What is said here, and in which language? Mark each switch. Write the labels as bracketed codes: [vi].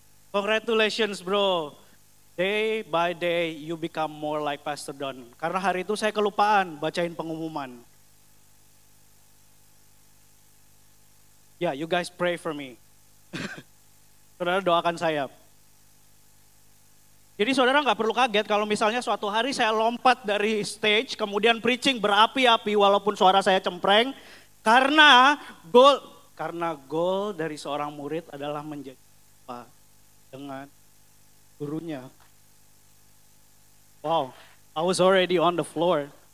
[en] Congratulations bro, day by day you become more like Pastor Don. [id] Karena hari itu saya kelupaan bacain pengumuman. [en] Yeah, you guys pray for me. [id] Saudara doakan saya. Jadi saudara gak perlu kaget kalau misalnya suatu hari saya lompat dari stage, kemudian preaching berapi-api walaupun suara saya cempreng, karena goal dari seorang murid adalah menjadi apa dengan gurunya. [en] Wow, I was already on the floor.